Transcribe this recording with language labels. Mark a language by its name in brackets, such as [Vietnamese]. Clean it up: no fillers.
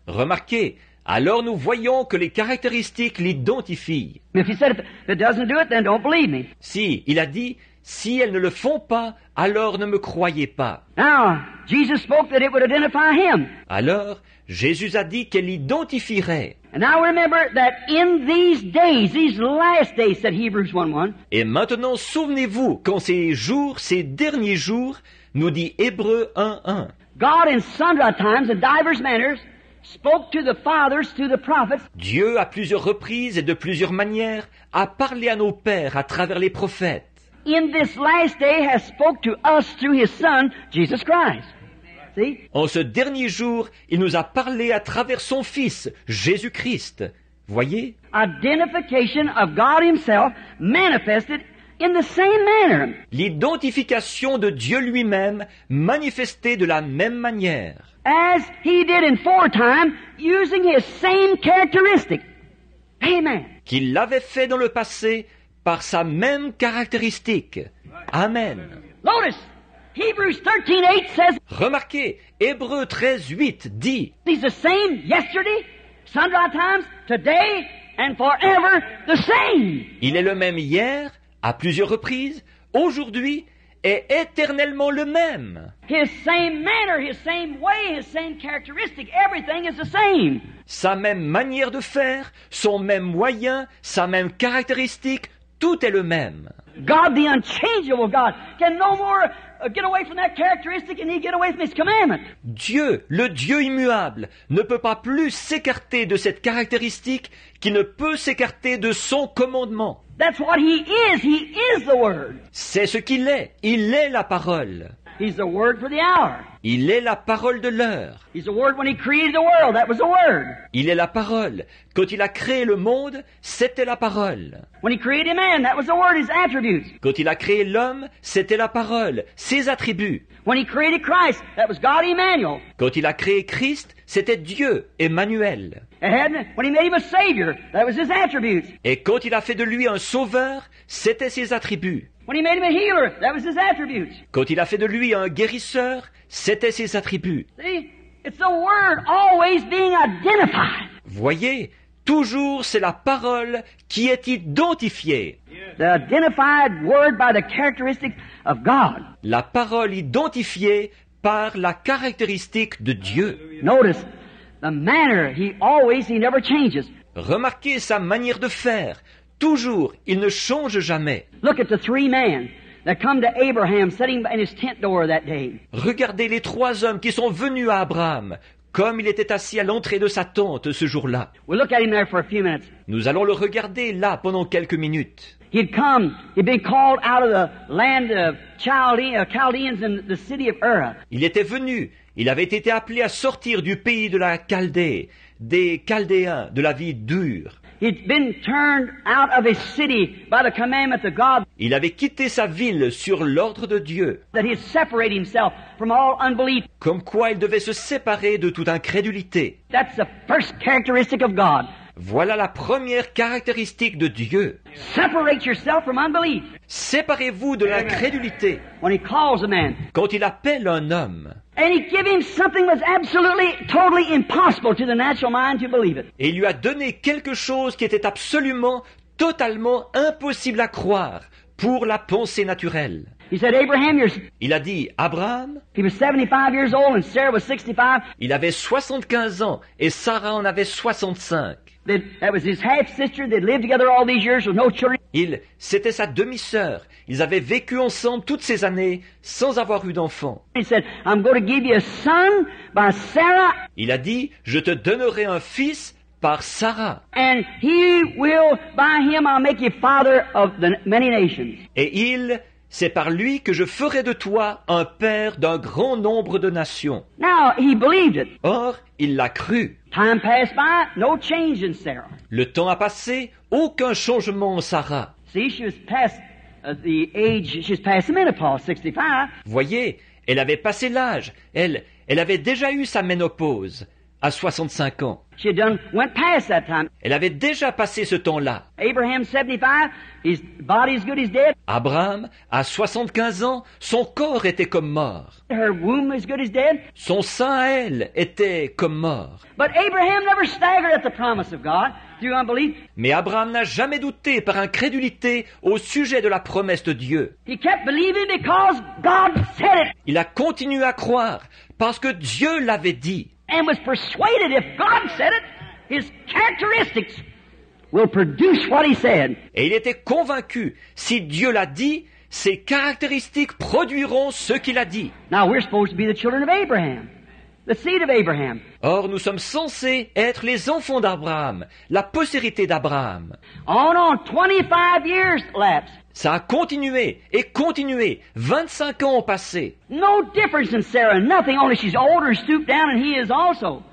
[French] Remarquez, alors nous voyons que les caractéristiques l'identifient. [English] If he said if it doesn't do it, then don't believe me. [French] Si, il a dit, si elles ne le font pas, alors ne me croyez pas. [English] Now, Jesus spoke that it would identify him. [French] Alors, Jésus a dit qu'elle l'identifierait. [English] And now remember that in these days, these last days, said Hebrews 1:1. [French] Et maintenant, souvenez-vous qu'en ces jours, ces derniers jours, nous dit Hébreux 1:1. [English] God in sundry times and diverse manners spoke to the fathers through the prophets. [French] Dieu à plusieurs reprises et de plusieurs manières a parlé à nos pères à travers les prophètes. [English] In this last day has spoke to us through his son Jesus Christ. See? [French] En ce dernier jour, il nous a parlé à travers son fils Jésus-Christ. Voyez? [English] Identification of God himself manifested in the same manner. [French] L'identification de Dieu lui-même manifestée de la même manière. [English] As he did in foretime, using his same characteristic. Amen. [French] Qu'il l'avait fait dans le passé par sa même caractéristique. Amen. [English] Notice, Hebrews 13:8 says. [French] Remarquez, Hébreux 13:8 dit. [English] He's the same yesterday, sundry times, today, and forever the same. [French] Il est le même hier, à plusieurs reprises, aujourd'hui, est éternellement le même. [English] His same manner, his same way, his same characteristic, everything is the same. [French] Sa même manière de faire, son même moyen, sa même caractéristique, tout est le même. [English] God, the unchangeable God, can no more get away from that characteristic than he can get away from his commandment. [French] Dieu, le Dieu immuable, ne peut pas plus s'écarter de cette caractéristique qu'il ne peut s'écarter de son commandement. [English] That's what he is. He is the Word. [French] C'est ce qu'il est. Il est la parole. [English] He's the Word for the hour. [French] Il est la parole de l'heure. [English] He's the Word when he created the world. That was the Word. [French] Il est la parole. Quand il a créé le monde, c'était la parole. [English] When he created man, that was the Word, his attributes. [French] Quand il a créé l'homme, c'était la parole, ses attributes. [English] When he created Christ, that was God Emmanuel. [French] Quand il a créé Christ, c'était Dieu Emmanuel. [English] And when he made him a savior, that was his attributes. [French] Et quand il a fait de lui un sauveur, c'était ses attributes. [English] When he made him a healer, that was his attributes. [French] Quand il a fait de lui un guérisseur, c'était ses attributes. [English] See, it's the Word always being identified. [French] Voyez, toujours c'est la parole qui est identifiée. [English] The identified word by the characteristic of God. [French] La parole identifiée par la caractéristique de Dieu. [English] Notice the manner he never changes. [French] Remarquez sa manière de faire. Toujours, il ne change jamais. [English] Look at the three men that come to Abraham sitting in his tent door that day. [French] Regardez les trois hommes qui sont venus à Abraham, comme il était assis à l'entrée de sa tente ce jour-là. [English] We'll look at him there for a few minutes. [French] Nous allons le regarder là pendant quelques minutes. [English] He'd come, he'd been called out of the land of Chaldeans and the city of Ur. [French] Il était venu, il avait été appelé à sortir du pays de la Chaldée, des Chaldéens, de la vie dure. [English] He'd been turned out of his city by the commandment of God. [French] Il avait quitté sa ville sur l'ordre de Dieu. [English] That he'd separate himself from all unbelief. [French] Comme quoi il devait se séparer de toute incrédulité. [English] That's the first characteristic of God. [French] Voilà la première caractéristique de Dieu. [English] Separate yourself from unbelief. [French] Séparez-vous de l'incrédulité. [English] When he calls a man. [French] Quand il appelle un homme. [English] And he gave him something that was absolutely, totally impossible to the natural mind to believe it. [French] Et il lui a donné quelque chose qui était absolument, totalement impossible à croire pour la pensée naturelle. [English] He said, Abraham, you're... [French] Il a dit, Abraham, [English] he was 75 years old and Sarah was 65. [French] Il avait 75 ans et Sarah en avait 65. [English] That was his half-sister. They'd lived together all these years with no children. [French] C'était sa demi-sœur. Ils avaient vécu ensemble toutes ces années sans avoir eu d'enfant. [English] He said, I'm going to give you a son by Sarah. [French] Il a dit, je te donnerai un fils par Sarah. [English] And he will, by him I'll make you father of the many nations. [French] Et il, c'est par lui que je ferai de toi un père d'un grand nombre de nations. [English] Now, he believed it. [French] Or, il l'a cru. [English] Time passed by, no change in Sarah. [French] Le temps a passé, aucun changement en Sarah. [English] See, she was past the age, she was past the menopause, 65. [French] Voyez, elle avait passé l'âge. Elle avait déjà eu sa ménopause à 65 ans. [English] She had done, went past that time. [French] Elle avait déjà passé ce temps-là. [English] Abraham, 75, his body is good, he's dead. [French] Abraham, à 75 ans, son corps était comme mort. [English] Her womb is good, he's dead. [French] Son sein, elle, était comme mort. [English] But Abraham never staggered at the promise of God through unbelief. [French] Mais Abraham n'a jamais douté par incrédulité au sujet de la promesse de Dieu. [English] He kept believing because God said it. [French] Il a continué à croire parce que Dieu l'avait dit. [English] And was persuaded if God said it, his characteristics will produce what he said. [French] Et il était convaincu, si Dieu l'a dit, ses caractéristiques produiront ce qu'il a dit. [English] Now we're supposed to be the children of Abraham, the seed of Abraham. [French] Or, nous sommes censés être les enfants d'Abraham, la postérité d'Abraham. [English] Oh non, 25 years lapsed. [French] Ça a continué et continué. 25 ans ont passé. [English] No difference in Sarah, nothing, only she's older, stooped down, and he is also.